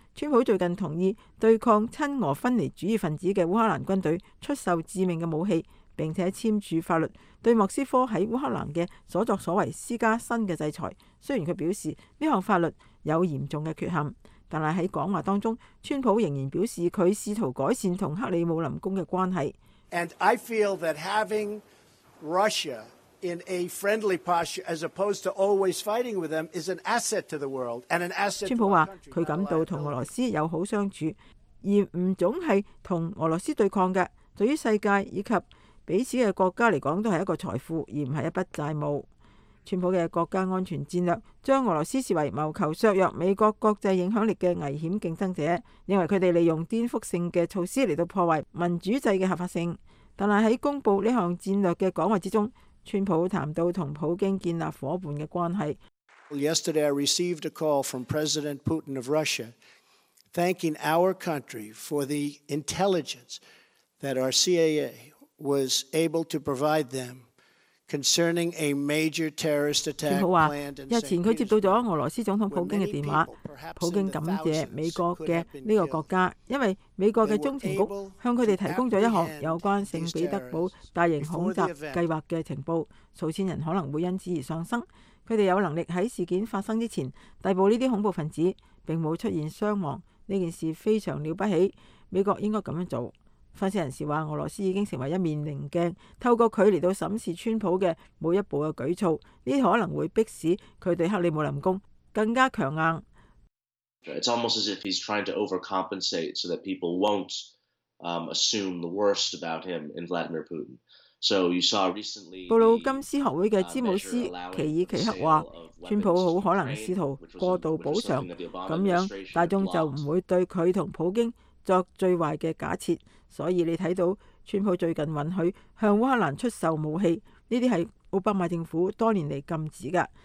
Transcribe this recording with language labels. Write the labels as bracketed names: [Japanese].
[Chinese] 川普最近同意对抗亲俄分离主义分子的乌克兰军队出售致命的武器，并且签署法律对莫斯科在乌克兰的所作所为施加新的制裁。虽然他表示这项法律有严重的缺陷，但是在讲话当中，川普仍然表示他试图改善和克里姆林宫的关系。 [English] And I feel that having Russia in a friendly posture as opposed to always fighting with them is an asset to the world and an asset to the country. 川 [Chinese] 普说他感到和俄罗斯友好相处，而不总是和俄罗斯对抗的，对于世界以及彼此的国家来说都是一个财富，而不是一笔债务。川普的国家安全战略将俄罗斯视为谋求削弱美国国际影响力的危险竞争者，认为他们利用颠覆性的措施来破坏民主制的合法性。但是在公布这项战略的讲话之中，川普谈到和普京建立伙伴的关系。 [English] Yesterday I received a call from President Putin of Russia thanking our country for the intelligence that our CIA was able to provide them. Concerning a major terrorist attack planned in St. Petersburg. [Chinese] 日前他接到了俄罗斯总统普京的电话，普京感谢美国的这个国家，因为美国的中情局向他们提供了一项有关圣彼得堡大型恐袭计划的情报，数千人可能会因此而丧生。他们有能力在事件发生之前逮捕这些恐怖分子，并没有出现伤亡，这件事非常了不起，美国应该这样做。分析人士说，俄罗斯已经成为一面棱镜，透过距离到审视川普的每一步的举措，这可能会迫使他对克里姆林宫更加强硬。 [English] It's almost as if he's trying to overcompensate so that people won't assume the worst about him in Vladimir Putin. So you saw recently. [Chinese] 布鲁金斯学会的詹姆斯奇尔奇克说，川普很可能试图过度补偿，这样大众就不会对他和普京作最坏的假设。所以你看到川普最近允许向乌克兰出售武器，这些是奥巴马政府多年来禁止的。